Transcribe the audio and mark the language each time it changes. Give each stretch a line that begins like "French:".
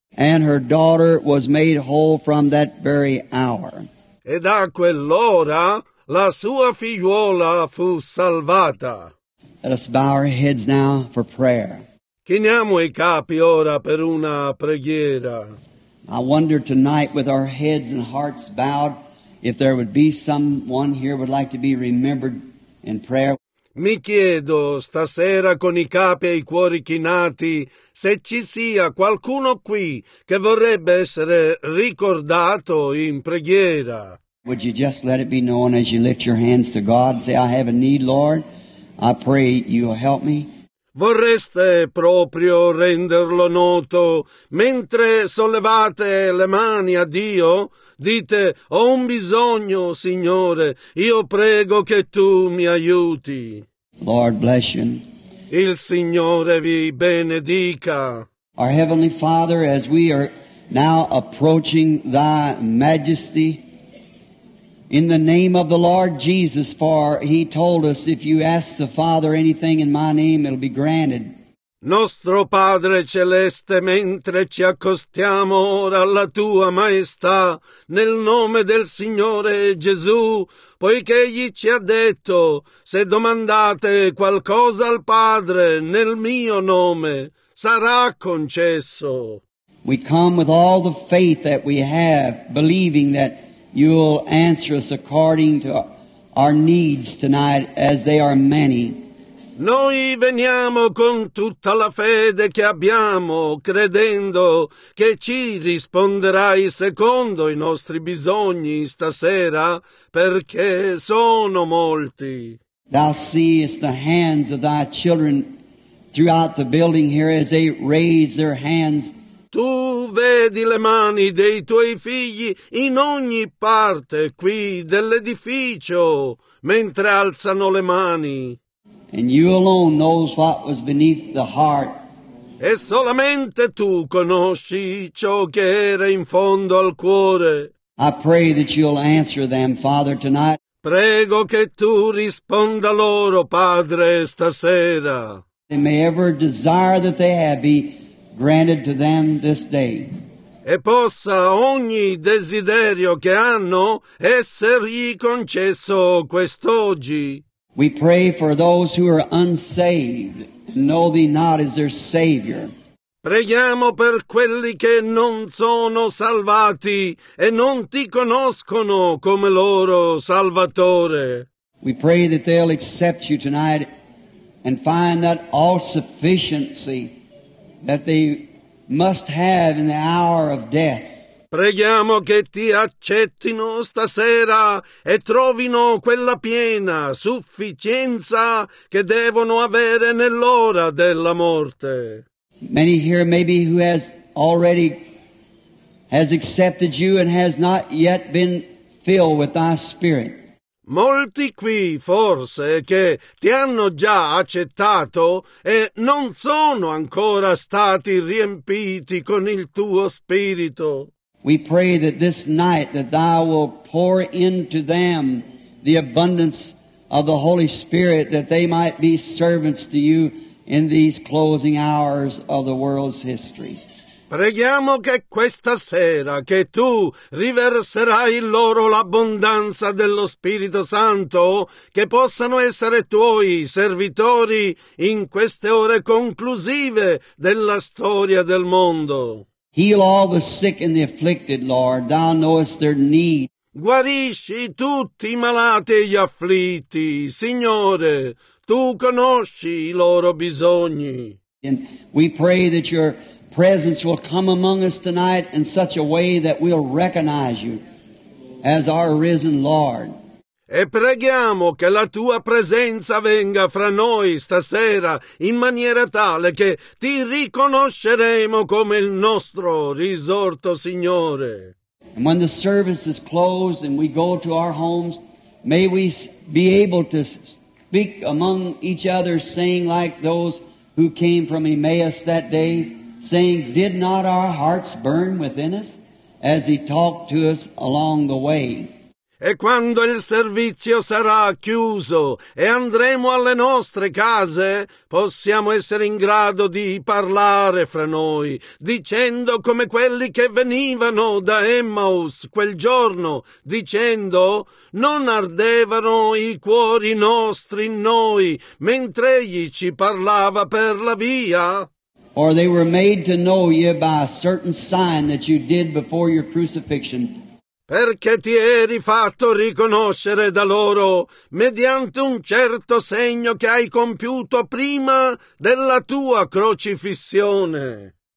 English: And her daughter was made whole from that very hour.
Italian: E da quell'ora la sua figliuola fu salvata.
English: Let us bow our heads now for prayer.
Italian: Chiniamo i capi ora per una preghiera.
English: I wonder tonight with our heads and hearts bowed if there would be someone here who would like to be remembered in prayer.
Italian: Mi chiedo stasera con i capi e i cuori chinati se ci sia qualcuno qui che vorrebbe essere ricordato in preghiera.
English: Would you just let it be known as you lift your hands to God and say, I have a need, Lord. I pray you'll help me.
Italian: Vorreste proprio renderlo noto mentre sollevate le mani a Dio? Dite, ho un bisogno, Signore, io prego che Tu mi aiuti.
English: Lord bless you.
Italian: Il Signore vi benedica.
English: Our Heavenly Father, as we are now approaching Thy Majesty in the name of the Lord Jesus, for he told us, if you ask the Father anything in my name, it'll be granted.
Italian: Nostro Padre Celeste, mentre ci accostiamo ora alla Tua Maestà, nel nome del Signore Gesù, poiché Egli ci ha detto, se domandate qualcosa al Padre nel mio nome, sarà concesso.
English: We come with all the faith that we have, believing that You'll answer us according to our needs tonight, as they are many.
Italian: Noi veniamo con tutta la fede che abbiamo, credendo che ci risponderai secondo i nostri bisogni stasera, perché sono molti.
English: Thou seest the hands of thy children throughout the building here as they raise their hands.
Italian: Tu vedi le mani dei tuoi figli in ogni parte qui dell'edificio, mentre alzano le mani.
English: And you alone knows what was beneath the heart.
Italian: E solamente tu conosci ciò che era in fondo al cuore.
English: I pray that you'll answer them, Father, tonight.
Italian: Prego che tu risponda loro, Padre, stasera.
English: They may ever desire that they have be granted to them this day.
Italian: E possa ogni desiderio che hanno essergli concesso quest'oggi.
English: We pray for those who are unsaved, know thee not as their Savior.
Italian: Preghiamo per quelli che non sono salvati e non ti conoscono come loro Salvatore.
English: We pray that they'll accept you tonight and find that all sufficiency that they must have in the hour of death.
Italian: Preghiamo che ti accettino stasera e trovino quella piena sufficienza che devono avere nell'ora della morte.
English: Many here maybe who has already accepted you and has not yet been filled with thy Spirit.
Italian: Molti qui forse che ti hanno già accettato e non sono ancora stati riempiti con il tuo Spirito.
English: We pray that this night that thou will pour into them the abundance of the Holy Spirit, that they might be servants to you in these closing hours of the world's history.
Italian: Preghiamo che questa sera che tu riverserai in loro l'abbondanza dello Spirito Santo, che possano essere tuoi servitori in queste ore conclusive della storia del mondo.
English: Heal all the sick and the afflicted, Lord. Thou knowest their need.
Italian: Guarisci tutti i malati e gli afflitti, Signore. Tu conosci i loro bisogni.
English: And we pray that your presence will come among us tonight in such a way that we'll recognize you as our risen Lord.
Italian: E preghiamo che la tua presenza venga fra noi stasera in maniera tale che ti riconosceremo come il nostro risorto Signore.
English: And when the service is closed and we go to our homes, may we be able to speak among each other, saying like those who came from Emmaus that day, saying, did not our hearts burn within us as he talked to us along the way?
Italian: E quando il servizio sarà chiuso e andremo alle nostre case, possiamo essere in grado di parlare fra noi, dicendo come quelli che venivano da Emmaus quel giorno, dicendo, non ardevano i cuori nostri in noi, mentre egli ci parlava per la via?
English: Or they were made to know you by a certain sign that you did before your crucifixion.
Italian: Perché ti eri fatto riconoscere da loro mediante un certo segno che hai compiuto prima della tua crocifissione.